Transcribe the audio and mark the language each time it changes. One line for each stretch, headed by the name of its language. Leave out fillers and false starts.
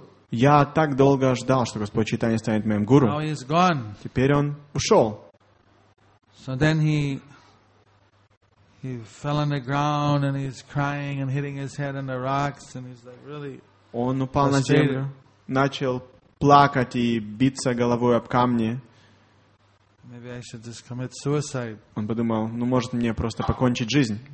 Russian: Я так долго ждал, что Господь Чайтанья станет моим гуру.
English: Now he's gone.
Russian: Теперь он ушел.
English: So then he fell on the ground and he's crying and hitting his head on the rocks and he's like really.
Russian: Он упал на землю, начал плакать и биться головой об камни.
English: Maybe I should just commit suicide.
Russian: Он подумал, ну может мне просто покончить жизнь.